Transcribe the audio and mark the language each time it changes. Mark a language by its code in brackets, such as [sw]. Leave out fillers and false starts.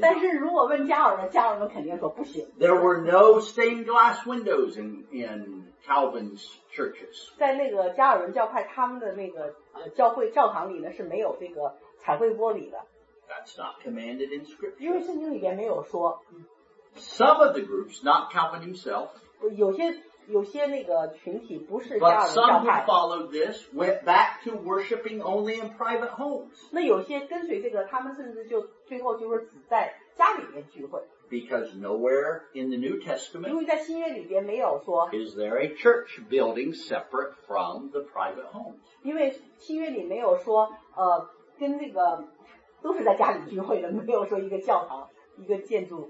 [zh] 但是如果问加尔文，加尔文肯定说不行。 [en] There were no stained glass windows in Calvin's churches. [zh] 在那个加尔文教派，他们的那个教会教堂里呢是没有这个彩绘玻璃的。 [en] That's not commanded in Scripture. [zh] 因为圣经里边没有说。 [en] Some of the groups, not Calvin himself, [zh] 有些那个群体不是 [en] 加尔文教派 but some who followed this went back to worshiping only in private homes. [zh] 那有些跟随这个他们甚至就最后就是只在家里面聚会 [en] Because nowhere in the New Testament [zh] 因为在新约里边没有说 [en] is there a church building separate from the private homes. [zh] 因为新约里没有说跟这个都是在家里聚会的没有说一个教堂一个建筑